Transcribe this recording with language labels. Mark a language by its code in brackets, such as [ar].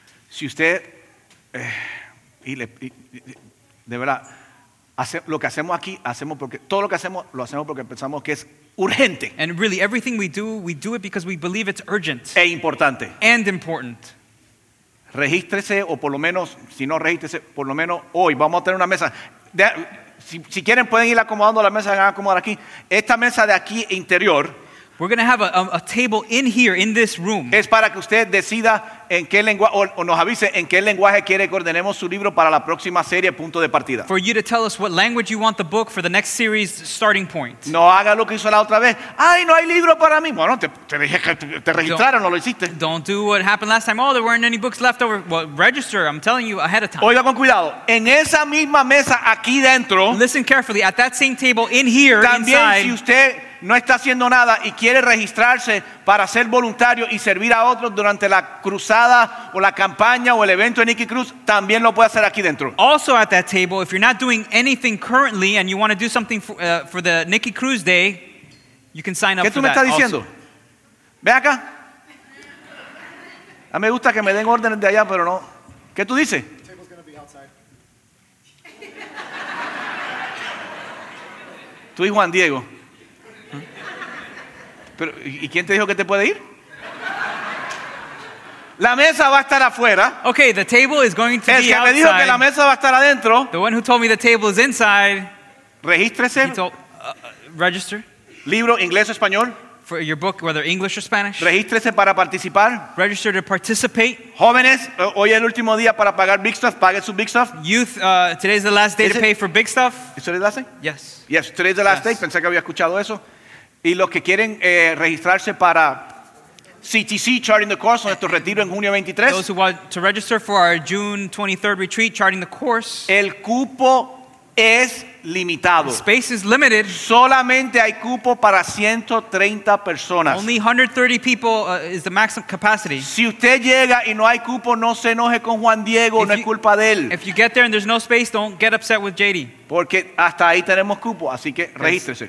[es] Si usted, de verdad, lo que hacemos aquí, todo lo que hacemos, lo hacemos porque pensamos que es urgente. [en] And really, everything we do it because we believe it's urgent. [es] E importante. [en] And important. [es] Regístrese o por lo menos, si no regístrese, por lo menos hoy vamos a tener una mesa. Si quieren pueden ir acomodando la mesa, van a acomodar aquí. Esta mesa de aquí interior. [en] We're going to have a table in here, in this room. [es] Es para que usted decida en qué lenguaje, o nos avise en qué lenguaje quiere que ordenemos su libro para la próxima serie, punto de partida. [en] For you to tell us what language you want the book for the next series, starting point. [es] No haga lo que hizo la otra vez. Ay, no hay libro para mí. Bueno, te dije que te registraron, no lo hiciste. [en] Don't do what happened last time. Oh, there weren't any books left over. Well, register, I'm telling you ahead of time. [es] Oiga con cuidado. En esa misma mesa aquí dentro. [en] Listen carefully. At that same table in here, [es] también, [en] inside. [es] También si usted... no está haciendo nada y quiere registrarse para ser voluntario y servir a otros durante la cruzada o la campaña o el evento de Nicky Cruz, también lo puede hacer aquí dentro. [en] Also at that table, if you're not doing anything currently and you want to do something for the Nicky Cruz Day, you can sign up for that. [es] ¿Qué tú me estás diciendo? Ve acá. A mí me gusta que me den órdenes de allá, pero no. ¿Qué tú dices? Tú y Juan Diego. Pero, ¿y quién te dijo que te puede ir? La mesa va a estar afuera. [en] Okay, the table is going to [es] el [en] be outside. [es] El que me dijo que la mesa va a estar adentro. [en] The one who told me the table is inside. [es] Regístrese. [en] Register. [es] Libro, inglés o español. [en] For your book, whether English or Spanish. [es] Regístrese para participar. [en] Register to participate. [es] Jóvenes, hoy es el último día para pagar Big Stuff. Pague su Big Stuff. [en] Youth, today is the last day to pay for Big Stuff. [es] ¿Es el [en] last day? Yes. Yes, today is the last day. [es] Pensé que había escuchado eso. Y los que quieren registrarse para CTC Charting the Course, nuestro retiro en junio 23. [en] Those who want to register for our June 23rd retreat, Charting the Course. [es] El cupo es limitado. [en] Space is limited. [es] Solamente hay cupo para 130 personas. [en] Only 130 people is the maximum capacity. [es] Si usted llega y no hay cupo, no se enoje con Juan Diego, no es culpa de él. [en] If you get there and there's no space, don't get upset with JD. [es] Porque hasta ahí tenemos cupo, así que regístrese.